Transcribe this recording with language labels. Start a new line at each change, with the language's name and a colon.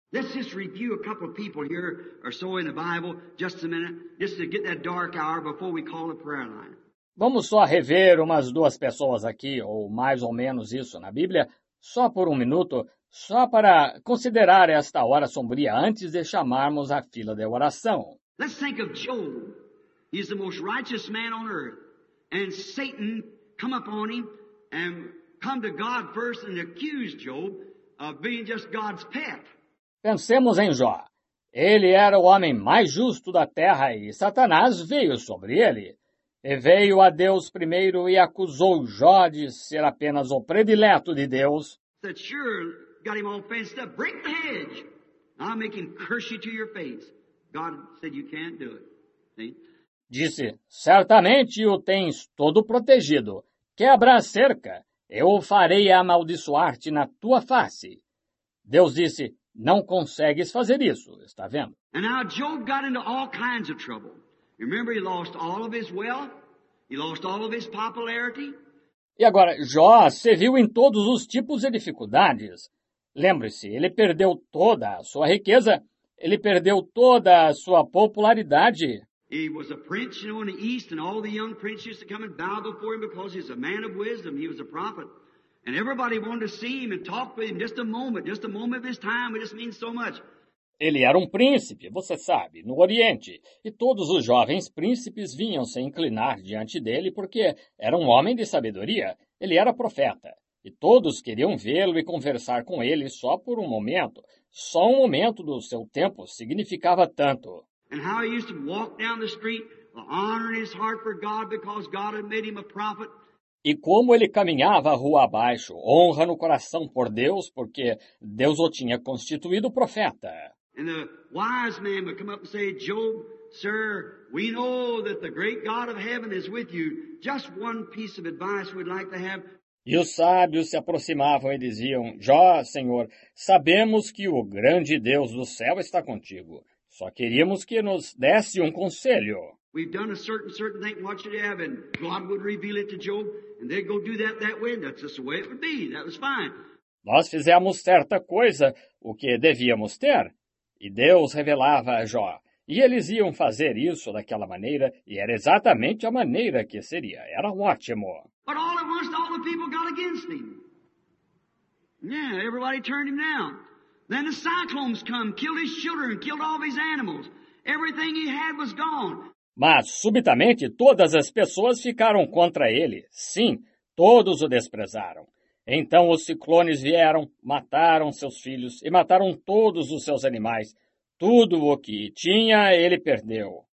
English: Let's just review a couple of people here or so in the Bible, just a minute, just to get that dark hour before we call the prayer line.
Portuguese: Vamos só rever umas duas pessoas aqui, ou mais ou menos isso na Bíblia, só por um minuto, só para considerar esta hora sombria antes de chamarmos a fila de oração.
English: Let's think of Job. He's the most righteous man on earth. And Satan come upon him and come to God first and accused Job of being just God's pet.
Portuguese: Pensemos em Jó. Ele era o homem mais justo da terra e Satanás veio sobre ele. E veio a Deus primeiro e acusou Jó de ser apenas o predileto de Deus.
English: Said, sure, got him all fenced up. Break the hedge. I'll make him curse you to your face. God said, you can't do it. See?
Portuguese: Disse, certamente o tens todo protegido. Quebra a cerca. Eu o farei amaldiçoar-te na tua face. Deus disse, não consegues fazer isso, está vendo?
English: And now Job got into all kinds of trouble. Remember, he lost all of his wealth. He lost all of his popularity.
Portuguese: E agora, Jó se viu em todos os tipos de dificuldades. Lembre-se, ele perdeu toda a sua riqueza. Ele perdeu toda a sua popularidade.
English: He was a prince, you know, in the east, and all the young princes used to come and bow before him because he's a man of wisdom. He was a prophet. And everybody wanted to see him and talk with him just a moment of his time. It just means so much.
Portuguese: Ele era um príncipe, você sabe, no Oriente, e todos os jovens príncipes vinham se inclinar diante dele porque era um homem de sabedoria, ele era profeta, e todos queriam vê-lo e conversar com ele só por um momento. Só um momento do seu tempo significava tanto.
English: And how he used to walk down the street, honoring his heart for God because God had made him a prophet.
Portuguese: E como ele caminhava rua abaixo, honra no coração por Deus, porque Deus o tinha constituído profeta.
English: And the wise man would come up and say, Job, sir, we know that the great God of heaven is with you. Just one piece of advice we'd like to have.
Portuguese: E os sábios se aproximavam e diziam, Jó, Senhor, sabemos que o grande Deus do céu está contigo. Só queríamos que nos desse um conselho.
English: We've done a certain thing, what should happen? God would reveal it to Job, and they'd go do that way. That's just the way it would be. That was fine.
Portuguese: Nós fizemos certa coisa, o que devíamos ter. E Deus revelava a Jó. E eles iam fazer isso daquela maneira, e era exatamente a maneira que seria. Era ótimo.
English: But all at once, all the people got against him. Yeah, everybody turned him down. Then the cyclones come, killed his children, killed all his animals. Everything he had was gone.
Portuguese: Mas, subitamente, todas as pessoas ficaram contra ele. Sim, todos o desprezaram. Então os ciclones vieram, mataram seus filhos e mataram todos os seus animais. Tudo o que tinha, ele perdeu.